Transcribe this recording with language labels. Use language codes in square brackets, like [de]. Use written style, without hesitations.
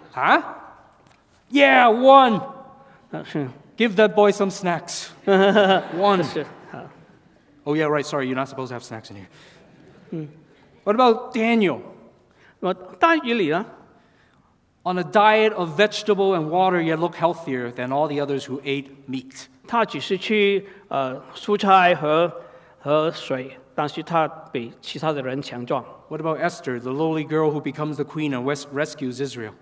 [en] 啊。Huh? Yeah, one. Give that boy some snacks. One. Oh yeah, right, sorry, you're not supposed to have snacks in here. What about Daniel? What, [zh] 但以理呢? [en] On a diet of vegetable and water, yet look healthier than all the others who ate meat. [zh] 他只是吃蔬菜和水，但是他比其他的人强壮。 [en] What about Esther, the lowly girl who becomes the queen and rescues Israel?